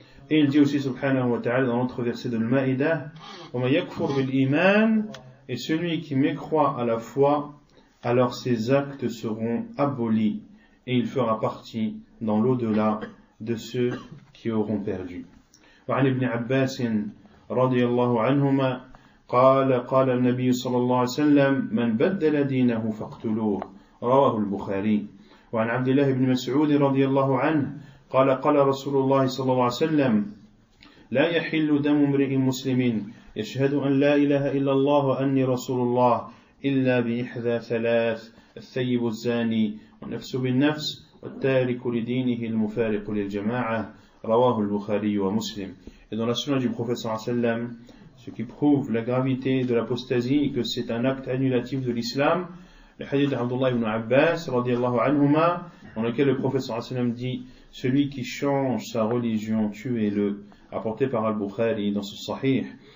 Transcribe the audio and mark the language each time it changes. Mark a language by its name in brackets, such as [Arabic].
[French] Et il dit aussi, subhanahu wa ta'ala, dans l'autre verset de l'Maïdah, « [Arabic] وَمَا يَكْفُرْ بِالْإِيمَانِ [French] » Et celui qui mécroit à la foi, alors ses actes seront abolis, et il fera partie dans l'au-delà de ceux qui auront perdu. [Arabic] وعن ابن عباس رضي الله عنهما قال قال النبي صلى الله عليه وسلم من بدل دينه فاقتلوه رواه البخاري وعن عبد الله بن مسعود رضي الله عنه قال قال رسول الله صلى الله عليه وسلم لا يحل دم امرئ مسلم يشهد أن لا إله إلا الله وأني رسول الله إلا بإحدى ثلاث الثيب الزاني والنفس بالنفس والتارك لدينه المفارق للجماعة رواه البخاري ومسلم. [French] Et dans la sunna du prophète sallallahu alayhi wa sallam, ce qui prouve la gravité de l'apostasie et que c'est un acte annulatif de l'islam, le hadith d'Abdullah ibn Abbas radiyallahu anhuma, dans lequel le prophète sallallahu alayhi wa sallam dit: celui qui change sa religion, tuez-le, apporté par Al-Bukhari dans ce sahih.